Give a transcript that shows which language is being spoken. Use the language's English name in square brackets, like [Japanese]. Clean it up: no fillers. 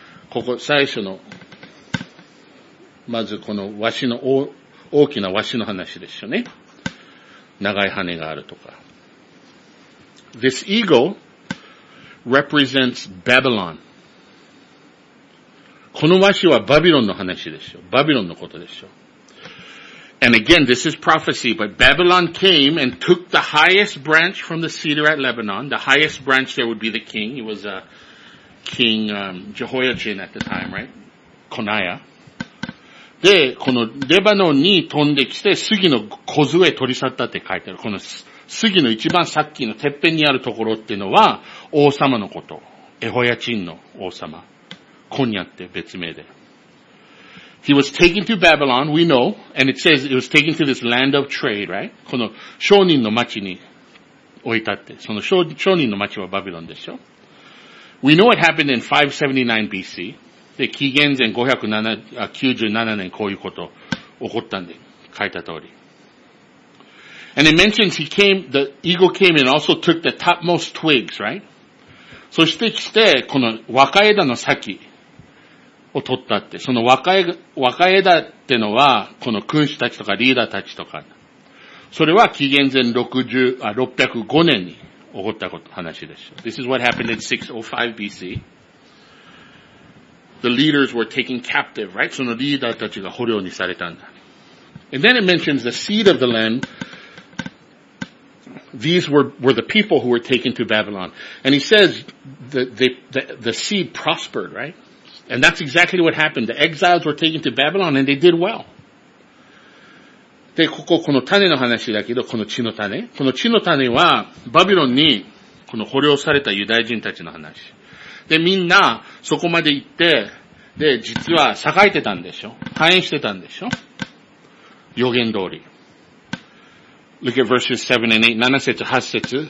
[Japanese] ここ最初のまずこのワシの大きなワシの話ですよね。長い羽があるとか。 [English] This eagle represents Babylon. [Japanese] このワシはバビロンの話ですよ。バビロンのことですよ。 [English] And again, this is prophecy, but Babylon came and took the highest branch from the cedar at Lebanon. The highest branch there would be the king. He was a king, Jehoiachin at the time, right? Coniah. [Japanese] で、このレバノンに飛んできて、杉の小杖取り去ったって書いてある。この杉の一番さっきのてっぺんにあるところっていうのは、王様のこと。エホヤチンの王様。コニャって別名で。 [English] He was taken to Babylon, we know, and it says it was taken to this land of trade, right? [Japanese] この商人の町に置いたって。その商人の町はバビロンでしょ。 [English] We know what happened in 579 BC. [Japanese] で、紀元前597年こういうこと起こったんで、書いた通り。 [English] And it mentions he came, the eagle came and also took the topmost twigs, right? [Japanese] そして来て、この若枝の先。を取ったって。その若枝ってのは、この君主たちとかリーダーたちとか。それは紀元前605年に起こったこと話でしょ。 [English] This is what happened in 605 BC. The leaders were taken captive, right? [Japanese] そのリーダーたちが捕虜にされたんだ。 [English] And then it mentions the seed of the land. These were the people who were taken to Babylon. And he says the seed prospered, right? And that's exactly what happened. The exiles were taken to Babylon and they did well. [Japanese] で、ここ、この種の話だけど、この地の種。この地の種は、バビロンに、この捕虜されたユダヤ人たちの話。で、みんなそこまで行って、で、実は栄えてたんでしょ。繁栄してたんでしょ。予言通り。 [English] Look at verses 7 and 8, [Japanese] 7節、8節。